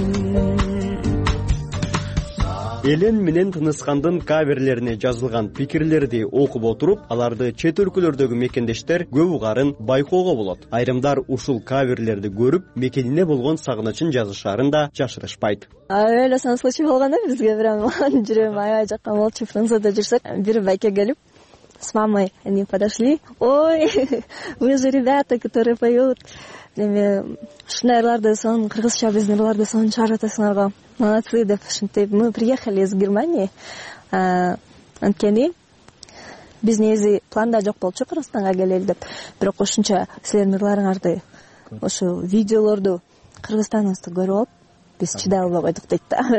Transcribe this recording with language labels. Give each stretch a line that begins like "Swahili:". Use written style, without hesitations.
Kyrgyz: Элен менен тыныскандын каверлерине жазылган пикирлерди окуп отуруп, аларды чет өлкөлөрдөгү мекендештер көп угарын байкоого болот. Айрымдар ушул каверлерди көрүп, мекенине болгон сагынычын жазышарын да жашырышпайт. Эле сансызчы болгон да бизге бир аман жүрөм аябай жаккан болчу, Францияда жүрсөк, бир байке келип
Russian: с мамой они подошли. Ой, вы же ребята, которые поют.
Kyrgyz: Эми ушундай ырларды сонун кыргызча биздин ырларды сонун чыгарып атасыңарга молодцы деп ушинтип
Russian: мы приехали из Германии.
Kyrgyz: Анткени биз негизи планда жок болчу Кыргызстанга келели деп, бирок ушунча силердин ырларыңарды ошо видеолорду Кыргызстаныбызды көрүп алып биз чыдай албай койдук дейт да.